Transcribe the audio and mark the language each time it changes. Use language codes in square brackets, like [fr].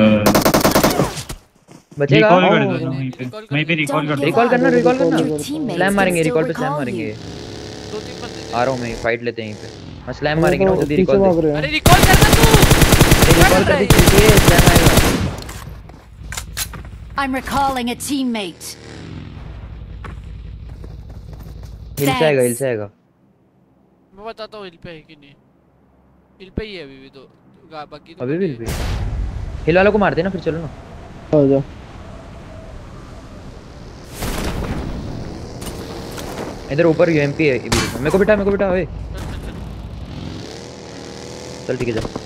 [hi] बचेगा रिकॉल कर दो वहीं पे रिकॉल कर दो रिकॉल करना रिकॉल करना स्लैम मारेंगे रिकॉल पे स्लैम मारेंगे दो तीन बंदे आ रहा हूं मैं फाइट लेते हैं यहीं पे मैं स्लैम मारेंगे ना जल्दी रिकॉल दे अरे रिकॉल करना तू रिकॉल कर दे ये स्लैम आएगा। [en] I'm recalling a teammate. [hi] हिल से आएगा मैं बताता हूँ हिल पे है कि नहीं। हिल पे ही है अभी भी तो बाकी अभी भी हिल पे हिल वालों को मार देना फिर चलो ना। हो जाओ इधर ऊपर UMP है अभी मेरे को बिठा ओए चल ठीक है जा